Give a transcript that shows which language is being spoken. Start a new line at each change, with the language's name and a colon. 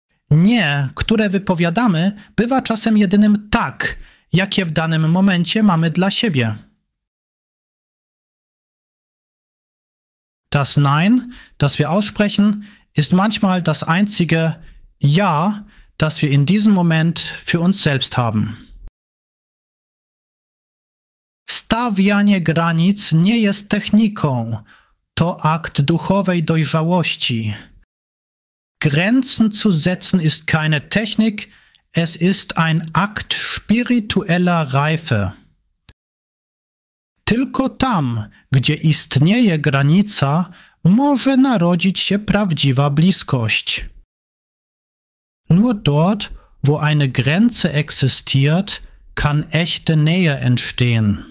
Polish: Nie, które wypowiadamy, bywa czasem jedynym tak, jakie w danym momencie mamy dla siebie.
German: Das Nein, das wir aussprechen, ist manchmal das einzige Ja, das wir in diesem Moment für uns selbst haben.
Polish: Stawianie granic nie jest techniką, to akt duchowej dojrzałości.
German: Grenzen zu setzen ist keine Technik, es ist ein Akt spiritueller Reife.
Polish: Tylko tam, gdzie istnieje granica, może narodzić się prawdziwa bliskość.
German: Nur dort, wo eine Grenze existiert, kann echte Nähe entstehen.